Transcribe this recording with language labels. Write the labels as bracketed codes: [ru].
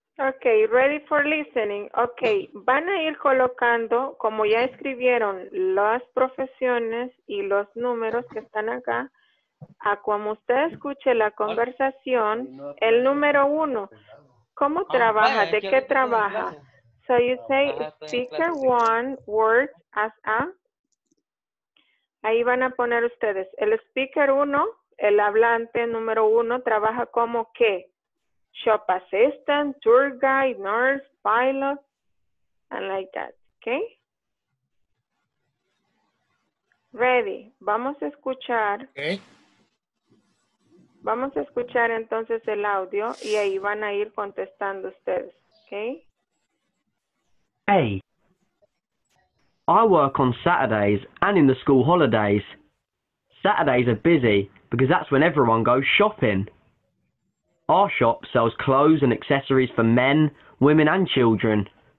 [en] Okay, ready for listening. [es] Okay, van a ir colocando, como ya escribieron, las profesiones y los números que están acá. A como usted escuche la conversación, el número uno, ¿cómo trabaja? ¿De qué trabaja? [en] So you say, speaker one works as a. [es] Ahí van a poner ustedes, el speaker uno, el hablante número uno, trabaja como qué. [en] Shop assistant, tour guide, nurse, pilot, and like that, okay? [es] Ready, vamos a escuchar. [en] Okay. [es] Vamos a escuchar entonces el audio y ahí van a ir contestando ustedes, okay? [en] Hey, I work on Saturdays and in the school holidays. Saturdays are busy because that's when everyone goes shopping. Our shop sells clothes and accessories for men, women and children.